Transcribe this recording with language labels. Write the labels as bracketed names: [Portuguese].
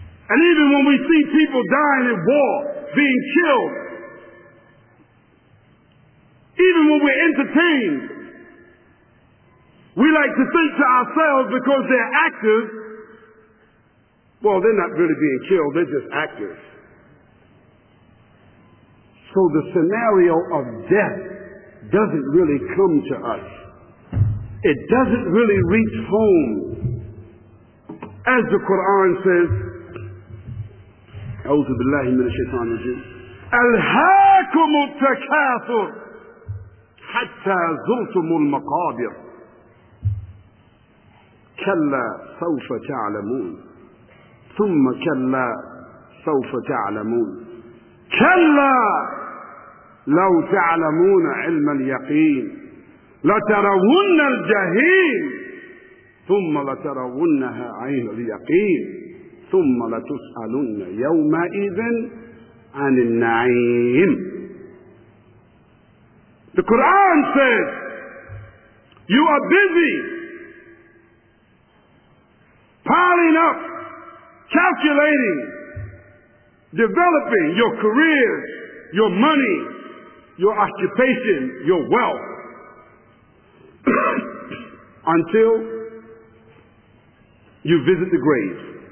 [English] And even when we see people dying in war, being killed, even when we're entertained, we like to think to ourselves, because they're actors, well, they're not really being killed, they're just actors. So the scenario of death doesn't really come to us. It doesn't really reach home. As the Quran says, [Arabic] أعوذ بالله من الشيطان الرجيم ألهاكم التكاثر حتى زرتم المقابر كلا سوف تعلمون ثم كلا سوف تعلمون كلا لو تعلمون علم اليقين لترون الجحيم ثم لترونها عين اليقين ثم لتسألن يومئذ عن النعيم. [English] The Quran says, you are busy piling up, calculating, developing your careers, your money, your occupation, your wealth, until you visit the grave.